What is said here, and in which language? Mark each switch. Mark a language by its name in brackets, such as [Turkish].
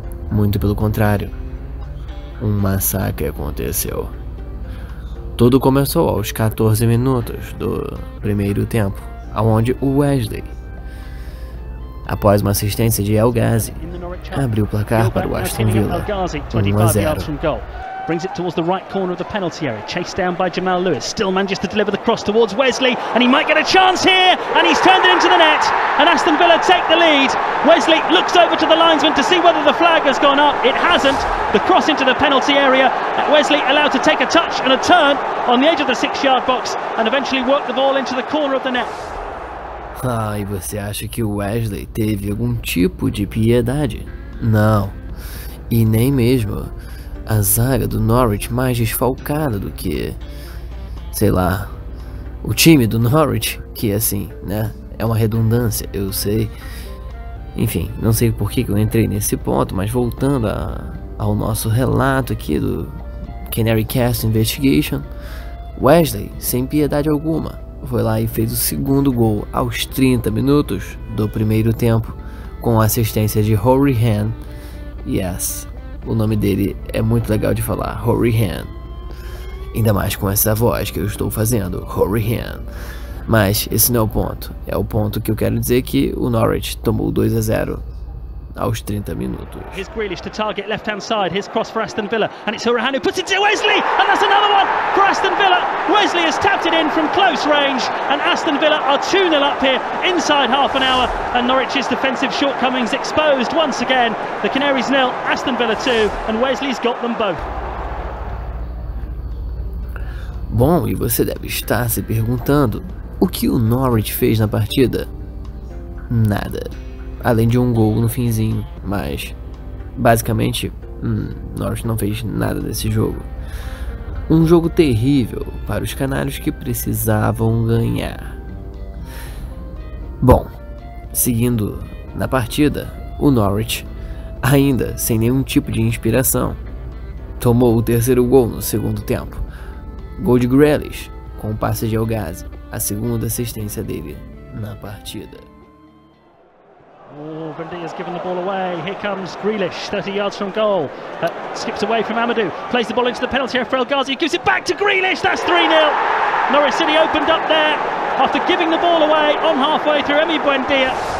[Portuguese] Muito pelo contrário, um massacre aconteceu. Tudo começou aos 14 minutos do primeiro tempo, onde o Wesley, após uma assistência de El Ghazi, abriu o placar para o Aston Villa, 1-0. [English] Brings it towards the right corner of the penalty area, chased down by Jamal Lewis. Still manages to deliver the cross towards Wesley, and he might get a chance here, and he's turned it into the net, and Aston Villa take the lead. Wesley looks over to the linesman to see whether the flag has gone up. It hasn't. The cross into the penalty area. Wesley allowed to take a touch and a turn on the edge of the six-yard box, and eventually work the ball into the corner of the net. [Portuguese] Ah, e você acha que o Wesley teve algum tipo de piedade? Não. E nem mesmo a zaga do Norwich, mais desfalcada do que, sei lá, o time do Norwich, que assim, né, é uma redundância, eu sei. Enfim, não sei por que eu entrei nesse ponto, mas voltando ao nosso relato aqui do Canary Cast Investigation, Wesley, sem piedade alguma, foi lá e fez o segundo gol aos 30 minutos do primeiro tempo, com assistência de Rory Hand. Yes, o nome dele é muito legal de falar, Rory Hand. Ainda mais com essa voz que eu estou fazendo, Rory Hand. Mas esse não é o ponto. É o ponto que eu quero dizer que o Norwich tomou 2-0 aos 30 minutos. [English] Here's Grealish to target left-hand side. Here's cross for Aston Villa. And it's Hourihan who puts it to Wesley. And that's another one for Aston Villa. Wesley has tapped it in from close range. And Aston Villa are 2-0 up here inside half an hour. And Norwich's defensive shortcomings exposed once again. The Canaries nil, Aston Villa 2. And Wesley's got them both. [Portuguese] Bom, e você deve estar se perguntando, o que o Norwich fez na partida? Nada. Além de um gol no finzinho, mas basicamente, Norwich não fez nada desse jogo. Um jogo terrível para os canários que precisavam ganhar. Bom, seguindo na partida, o Norwich, ainda sem nenhum tipo de inspiração, tomou o terceiro gol no segundo tempo. Gol de Grealish, com um passe de El Ghazi, a segunda assistência dele na partida. Oh, Grundy has given the ball away. Here comes Grealish, 30 yards from goal. Skips away from Amadou. Plays the ball into the penalty area for El Ghazi. Gives it back to Grealish. That's 3-0. Norwich City opened up there after giving the ball away on halfway through Emi Buendia.